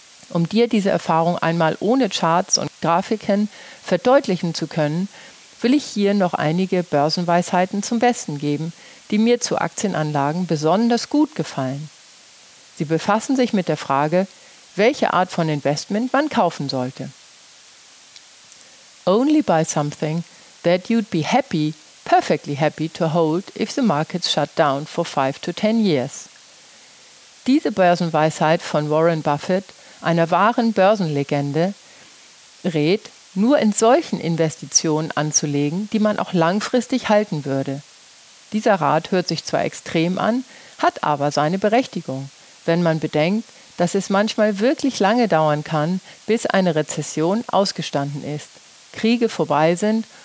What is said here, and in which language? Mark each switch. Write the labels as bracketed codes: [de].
[de] Um dir diese Erfahrung einmal ohne Charts und Grafiken verdeutlichen zu können, will ich hier noch einige Börsenweisheiten zum Besten geben, die mir zu Aktienanlagen besonders gut gefallen. Sie befassen sich mit der Frage, welche Art von Investment man kaufen sollte. [en] Only buy something that you'd be happy, perfectly happy to hold if the markets shut down for 5 to 10 years. [de] Diese Börsenweisheit von Warren Buffett, einer wahren Börsenlegende, rät, nur in solchen Investitionen anzulegen, die man auch langfristig halten würde. Dieser Rat hört sich zwar extrem an, hat aber seine Berechtigung, wenn man bedenkt, dass es manchmal wirklich lange dauern kann, bis eine Rezession ausgestanden ist, Kriege vorbei sind